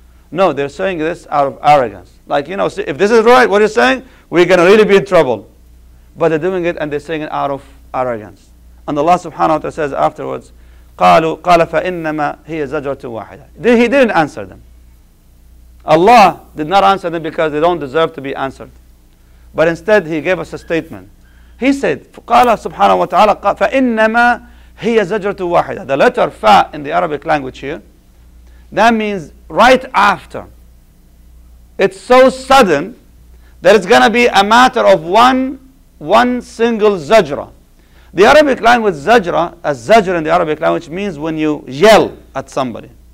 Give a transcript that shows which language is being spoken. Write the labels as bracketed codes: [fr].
[en] No, they're saying this out of arrogance. Like, you know, see, if this is right, what are you saying? We're going to really be in trouble. But they're doing it and they're saying it out of arrogance. And Allah subhanahu wa ta'ala says afterwards, [ar] قالوا قال فإنما هي زجرة واحدة. [en] He didn't answer them. Allah did not answer them because they don't deserve to be answered. But instead he gave us a statement. He said, [ar] قال سبحانه وتعالى فإنما هي زجرة واحدة. [en] The letter فا in the Arabic language here, that means right after. It's so sudden that it's going to be a matter of one single zajra. The Arabic language zajra, a zajra in the Arabic language means when you yell at somebody.